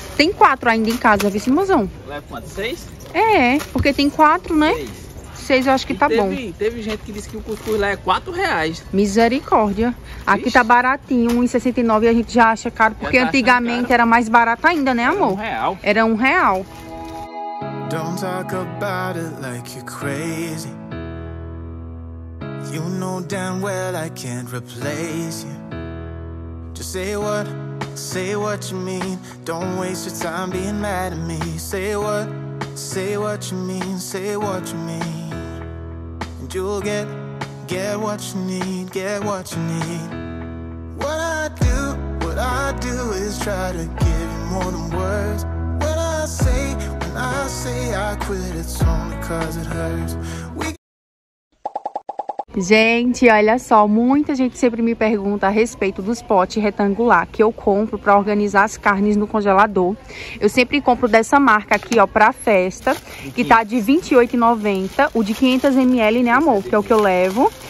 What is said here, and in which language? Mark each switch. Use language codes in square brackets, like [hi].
[pt] Tem quatro ainda em casa, viu, mozão? Leva quanto? Seis? É, porque tem quatro, né? Seis eu acho que bom. Teve gente que disse que o cuscuz lá é R$4. Misericórdia. Aqui tá baratinho, R$1,69 a gente já acha caro, porque tá antigamente caro. Era mais barato ainda, né, amor? Era um real. [en] Don't talk about it like you're crazy. You know damn well I can't replace you. Just say what you mean. Don't waste your time being mad at me. Say what you mean, say what you mean. And you'll get what you need, get what you need. What I do is try to give you more than words. What I say, when I say I quit, it's only 'cause it hurts. [pt] Gente, olha só, muita gente sempre me pergunta a respeito dos potes retangular que eu compro pra organizar as carnes no congelador. Eu sempre compro dessa marca aqui, ó, pra festa, que tá de R$28,90, o de 500ml, né, amor, que é o que eu levo.